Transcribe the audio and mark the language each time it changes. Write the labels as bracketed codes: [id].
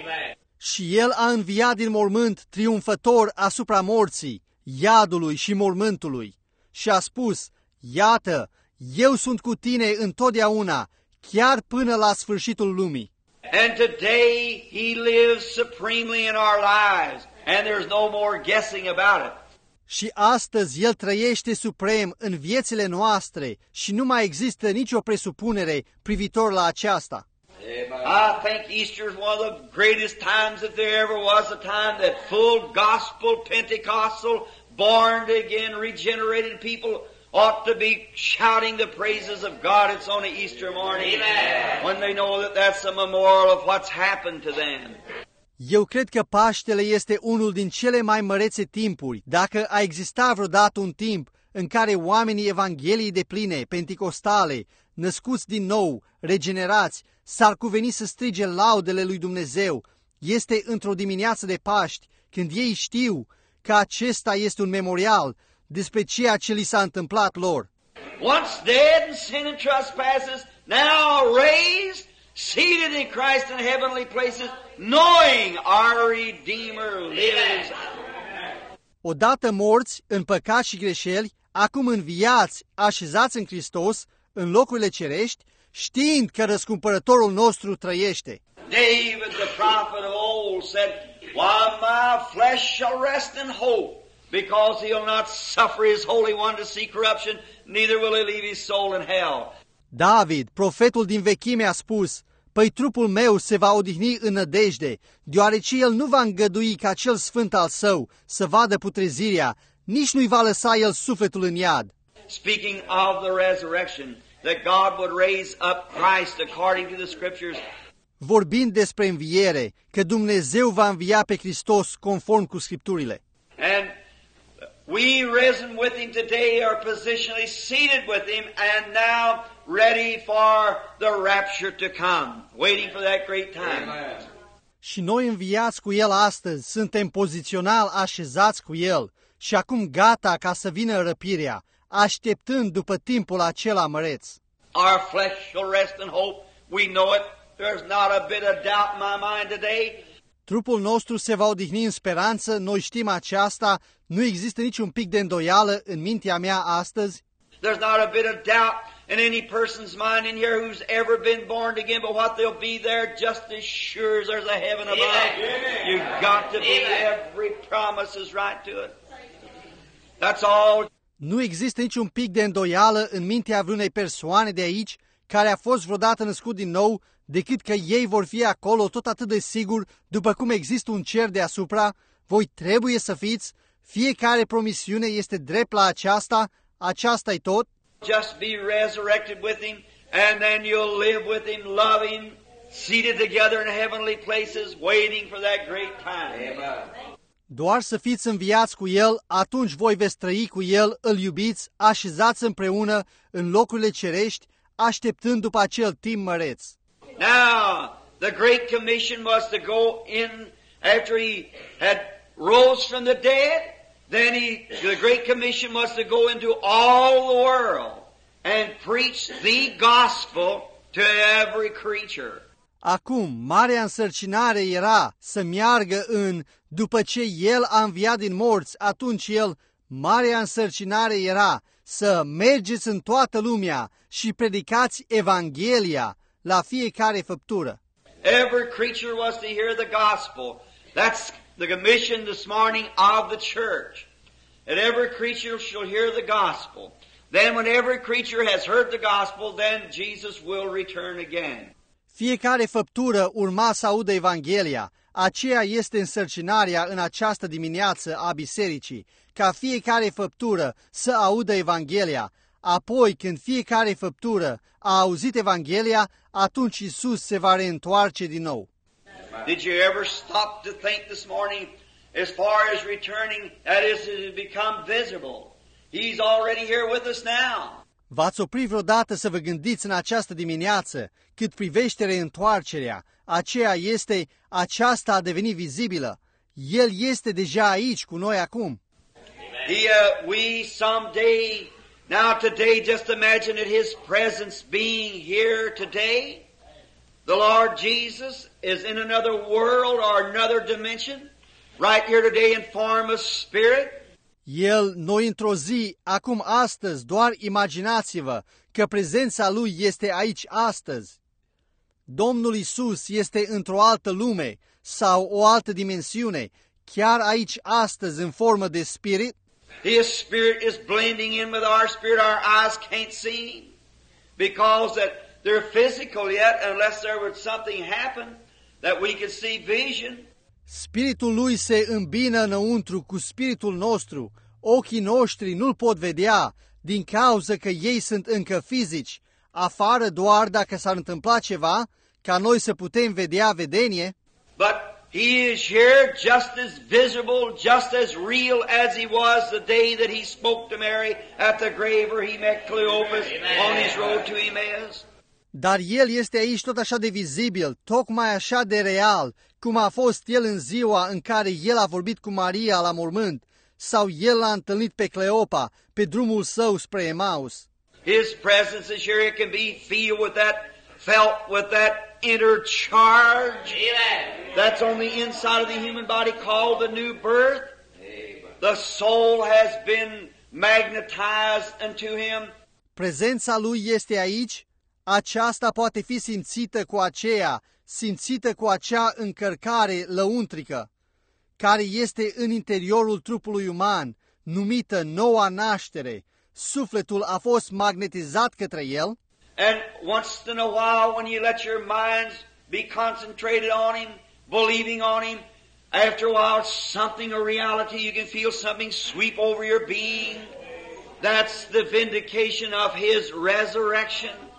[en] Amen. [ro] Și El a înviat din mormânt triumfător asupra morții, iadului și mormântului. Și a spus, Iată, eu sunt cu tine întotdeauna, chiar până la sfârșitul lumii. [en] And today He lives supremely in our lives, and there's no more guessing about it. [ro] Și astăzi El trăiește suprem în viețile noastre și nu mai există nicio presupunere privitor la aceasta. [en] I think Easter is one of the greatest times that there ever was, a time that full gospel, Pentecostal, born again, regenerated people ought to be shouting the praises of God. It's on an Easter morning. Amen. When they know that that's a memorial of what's happened to them. [ro] Eu cred că Paștele este unul din cele mai mărețe timpuri, dacă a existat vreodată un timp în care oamenii Evangheliei depline, pentecostale, născuți din nou, regenerați, s-ar cuveni să strige laudele lui Dumnezeu. Este într-o dimineață de Paști, când ei știu că acesta este un memorial despre ceea ce li s-a întâmplat lor. [en] Once dead in sin and trespasses, now raised, seated in Christ in heavenly places, knowing our Redeemer lives. [ro] Odată morți în păcat și greșeli, acum înviați, așezați în Hristos, în locurile cerești, știind că răscumpărătorul nostru trăiește. [en] David, the prophet of old, said, While my flesh shall rest in hope, because he'll not suffer his holy one to see corruption, neither will he leave his soul in hell. [ro] David, profetul din vechime, a spus, păi trupul meu se va odihni în nădejde, deoarece el nu va îngădui ca cel sfânt al său să vadă putrezirea, nici nu-i va lăsa el sufletul în iad. [en] Speaking of the resurrection, that God would raise up Christ according to the scriptures. [ro] Vorbind despre înviere, că Dumnezeu va învia pe Hristos conform cu Scripturile. [en] And we risen with him today, are positionally seated with him, and now ready for the rapture to come, waiting for that great time. Amen. [ro] Și noi înviați cu el astăzi, suntem pozițional așezați cu el și acum gata ca să vină răpirea, așteptând după timpul acela măreț. [en] Our flesh shall rest in hope, we know it. There's not a bit of doubt in my mind today. [ro] Trupul nostru se va odihni în speranță, noi știm aceasta, nu există niciun pic de îndoială în mintea mea astăzi. [en] There's not a bit of doubt in any person's mind in here who's ever been born again, but what they'll be there just as sure as there's a heaven above. You've got to be there. Every promise is right to it. That's all. [ro] Nu există niciun pic de îndoială în mintea vreunei persoane de aici care a fost vreodată născut din nou, decât că ei vor fi acolo tot atât de sigur, după cum există un cer deasupra, voi trebuie să fiți, fiecare promisiune este drept la aceasta, aceasta-i tot. [en] Just be resurrected with him, and then you'll live with him, love him, seated together in heavenly places, waiting for that great time. Amen. [ro] Doar să fiți înviați cu el, atunci voi veți trăi cu el, îl iubiți, așezați împreună în locurile cerești, așteptând după acel timp măreț. [en] Now, the great commission was to go in after he had rose from the dead. The great commission was to go into all the world and preach the gospel to every creature. [ro] Acum, marea însărcinare era să meargă în, după ce el a înviat din morți, atunci el, marea însărcinare era să mergeți în toată lumea și predicați Evanghelia la fiecare făptură. [en] Every creature was to hear the gospel. That's the commission this morning of the church. And every creature shall hear the gospel. Then when every creature has heard the gospel, then Jesus will return again. [ro] Fiecare făptură urma să audă Evanghelia. Aceea este însărcinarea în această dimineață a bisericii, ca fiecare făptură să audă Evanghelia. Apoi, când fiecare făptură a auzit Evanghelia, atunci Iisus se va reîntoarce din nou. [en] Did you ever stop to think this morning, as far as returning, that is, it has become visible? He's already here with us now. [ro] V-ați oprit vreodată să vă gândiți în această dimineață cât privește reîntoarcerea? Aceea este, aceasta a devenit vizibilă. El este deja aici cu noi acum. [en] We someday, now today, just imagine that his presence being here today. The Lord Jesus is in another world or another dimension, right here today in form of spirit. [ro] El, noi într-o zi, acum astăzi, doar imaginați-vă că prezența lui este aici astăzi. Domnul Iisus este într-o altă lume sau o altă dimensiune, chiar aici astăzi, în formă de spirit. [en] His spirit is blending in with our spirit. Our eyes can't see him because that they're physical yet, unless there would something happen that we could see vision. [ro] Spiritul lui se îmbină înăuntru cu spiritul nostru. Ochii noștri nu-l pot vedea din cauza că ei sunt încă fizici. Afară doar dacă s-ar întâmpla ceva, ca noi să putem vedea vedenie. [en] But he is here just as visible, just as real as he was the day that he spoke to Mary at the grave where he met Cleopas. Amen. On his road to Emmaus. [ro] Dar el este aici tot așa de vizibil, tocmai așa de real, cum a fost el în ziua în care el a vorbit cu Maria la mormânt, sau el l-a întâlnit pe Cleopa, pe drumul său spre Emmaus. [en] His presence is here, it can be feel with that, felt with that inner charge. Amen. That's on the inside of the human body called the new birth. The soul has been magnetized unto him. [ro] Prezența lui este aici. Aceasta poate fi simțită cu aceea, simțită cu acea încărcare lăuntrică, care este în interiorul trupului uman, numită noua naștere, sufletul a fost magnetizat către el. [en] And once in a while when you let your minds be concentrated on him, believing on him, after a while something, a reality, you can feel something sweep over your being. That's the vindication of his resurrection.